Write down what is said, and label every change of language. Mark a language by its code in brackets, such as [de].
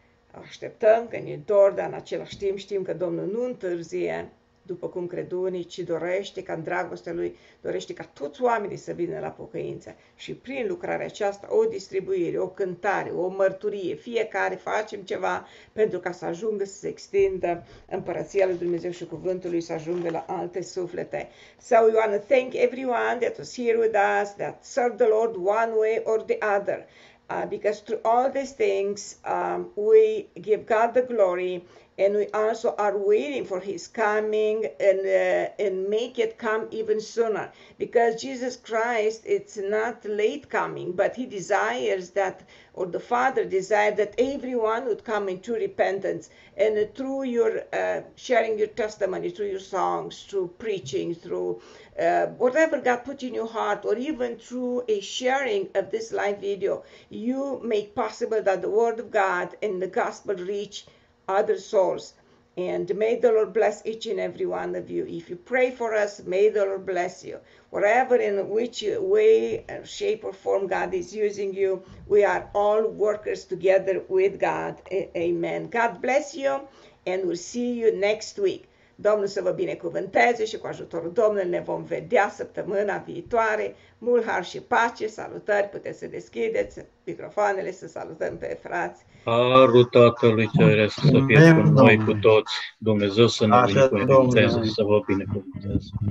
[ro] Așteptăm că ne dor, dar în același timp știm că Domnul nu întârzie, după cum cred unii, ci dorește ca în dragostea Lui, dorește ca toți oamenii să vină la pocăință. Și prin lucrarea aceasta, o distribuire, o cântare, o mărturie, fiecare facem ceva pentru ca să ajungă să se extindă împărăția lui Dumnezeu și cuvântul Lui să ajungă la alte suflete. [en] So we want to thank everyone that was here with us, that served the Lord one way or the other. Because through all these things, we give God the glory, and we also are waiting for His coming and make it come even sooner. Because Jesus Christ, it's not late coming, but He desires that, or the Father desired that everyone would come into repentance. And through your sharing your testimony, through your songs, through preaching, through whatever God put in your heart, or even through a sharing of this live video, you make possible that the Word of God and the Gospel reach other souls. And may the Lord bless each and every one of you. If you pray for us, may the Lord bless you. Whatever in which way, shape, or form God is using you, we are all workers together with God. Amen. God bless you, and we'll see you next week. [ro] Domnul să vă binecuvânteze și cu ajutorul Domnului ne vom vedea săptămâna viitoare. Mult har și pace, salutări, puteți să deschideți microfoanele, să salutăm pe frați. Harul Tatălui Ceresc să fie cu noi, cu toți. Dumnezeu să ne binecuvânteze, să vă binecuvânteze.